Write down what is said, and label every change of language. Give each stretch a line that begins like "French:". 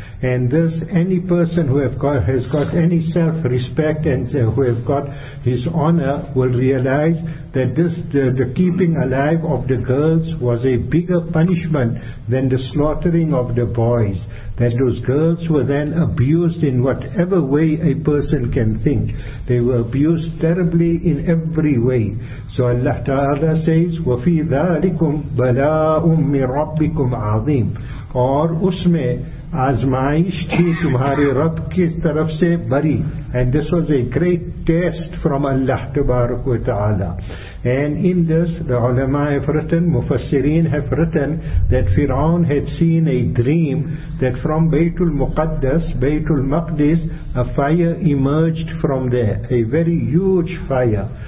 English: And this, any person who has got any self-respect and who have got his honor will realize that this, the keeping alive of the girls was a bigger punishment than the slaughtering of the boys. That those girls were then abused in whatever way a person can think. They were abused terribly in every way. So Allah Ta'ala says,
Arabic: وَفِي ذَلِكُمْ بَلَاءٌ مِّن رَبِّكُمْ عَظِيمٌ,
Urdu: or usme آزمائش تھی تمہارے رب کی طرف سے بری.
English: And this was a great test from Allah Tabaraka wa Ta'ala. And in this, the ulama have written, mufassirin have written, that Fir'aun had seen a dream that from Baytul Muqaddas, Baytul Maqdis, a fire emerged from there, a very huge fire.